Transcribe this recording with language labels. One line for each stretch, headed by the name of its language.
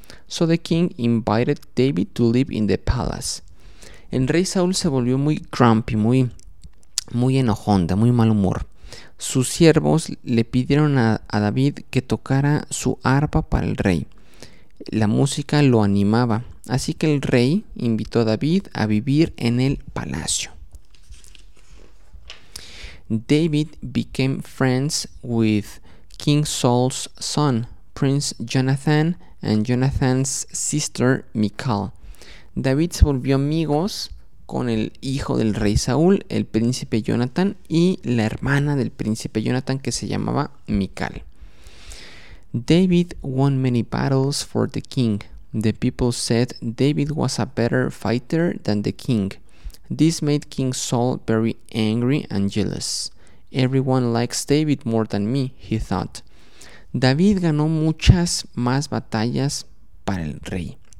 English: So the king invited David to live in the palace.
Spanish: El rey Saúl se volvió muy
English: grumpy,
Spanish: muy enojón, de muy mal humor. Sus siervos le pidieron a David que tocara su arpa para el rey. La música lo animaba, así que el rey invitó a David a vivir en el palacio.
English: David became friends with King Saul's son, Prince Jonathan, and Jonathan's sister, Michal.
Spanish: David se volvió amigos con el hijo del rey Saúl, el príncipe Jonathan, y la hermana del príncipe Jonathan, que se llamaba Michal.
English: David won many battles for the king. The people said David was a better fighter than the king. This made King Saul very angry and jealous. Everyone likes David more than me, he thought.
Spanish: David ganó muchas más batallas para el rey.